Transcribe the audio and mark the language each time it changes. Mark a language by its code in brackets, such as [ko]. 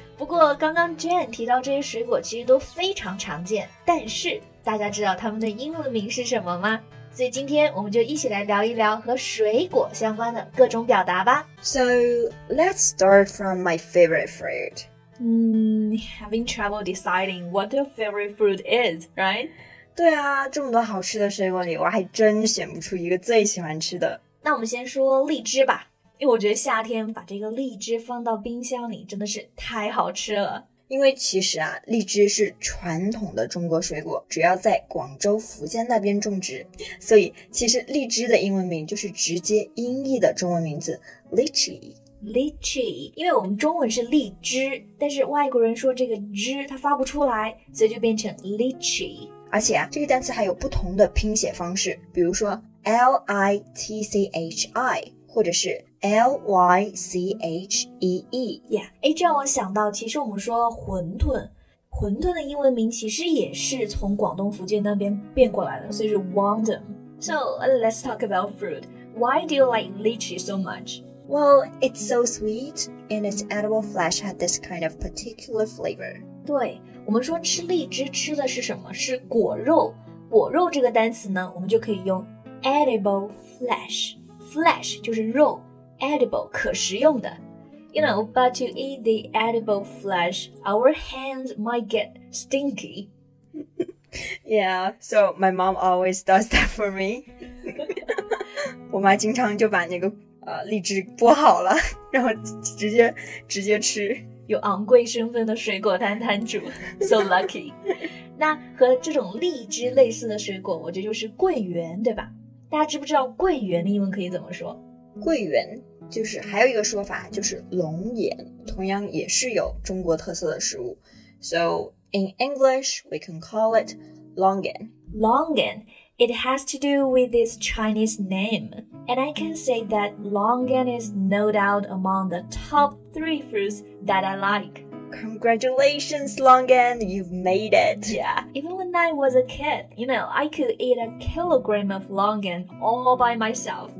[zh] 不过刚刚 Jane 提到这些水果其实都非常常见，但是大家知道它们的英文名是什么吗？所以今天我们就一起来聊一聊和水果相关的各种表达吧。 [en] So, let's start from my favorite fruit. Having trouble deciding what your favorite fruit is, right? [zh] 对啊，这么多好吃的水果里，我还真选不出一个最喜欢吃的。那我们先说荔枝吧，因为我觉得夏天把这个荔枝放到冰箱里真的是太好吃了。因为其实啊，荔枝是传统的中国水果，主要在广州、福建那边种植，所以其实荔枝的英文名就是直接音译的中文名字 lychee。 lychee， 因为我们中文是荔枝，但是外国人说这个枝它发不出来，所以就变成 lychee。而且啊，这个单词还有不同的拼写方式，比如说 l i t c h i， 或者是。 [en] L-Y-C-H-E-E [zh] Yeah, 让我想到其实我们说馄饨，馄饨的英文名其实也是从广东福建那边变过来的，所以是 Wandom. [en] So, let's talk about fruit. Why do you like lychee so much? Well, it's so sweet and its edible flesh had this kind of particular flavor. [zh] 对，我们说吃荔枝吃的是什么？是果肉。果肉这个单词呢，我们就可以用 edible flesh. Flesh 就是肉，Edible, 可食用的。 [en] You know, but to eat the edible flesh, our hands might get stinky. Yeah, so my mom always does that for me. [zh] 我妈经常就把那个荔枝剥好了，然后直接吃。有昂贵身份的水果摊摊主， [en] so lucky. [zh] 那和这种荔枝类似的水果，我觉得就是桂圆，对吧？大家知不知道桂圆的英文可以怎么说？桂圆就是还有一个说法就是龙眼，同样也是有中国特色的食物。 [en] So in English we can call it 龙眼。龙眼 It has to do with this Chinese name. And I can say that 龙眼 is no doubt among the top 3 fruits that I like. Congratulations 龙眼, you've made it. Yeah, even when I was a kid, you know, I could eat a kilogram of 龙眼 all by myself.